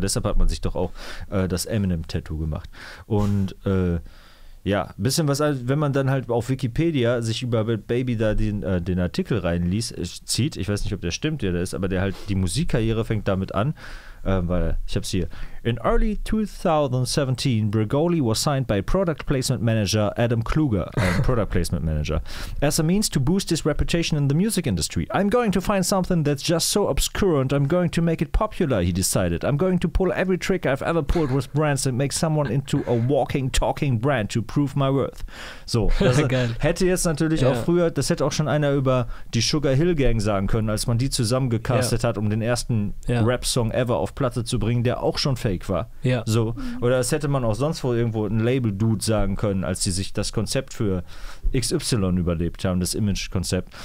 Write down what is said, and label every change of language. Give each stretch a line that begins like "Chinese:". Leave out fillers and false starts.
German: Deshalb hat man sich doch auch das Eminem-Tattoo gemacht. Und ja, bisschen was, wenn man dann halt auf Wikipedia sich über Baby da den Artikel zieht, ich weiß nicht, ob der stimmt, der da ist, aber der halt, die Musikkarriere fängt damit an, weil ich hab's hier.
English: In early 2017, Bregoli was signed by Product Placement Manager Adam Kluger, Product Placement Manager, as a means to boost his reputation in the music industry. I'm going to find something that's just so obscure and I'm going to make it popular, he decided. I'm going to pull every trick I've ever pulled with brands and make someone into a walking, talking brand to prove my worth.
German: So, das hätte jetzt natürlich auch früher, das hätte auch schon einer über die Sugar Hill Gang sagen können, als man die zusammengecastet hat, um den ersten Rap-Song ever auf auf Platte zu bringen, der auch schon fake war. Ja. So. Oder das hätte man auch sonst wo irgendwo ein Label-Dude sagen können, als die sich das Konzept für XY überlebt haben, das Image-Konzept.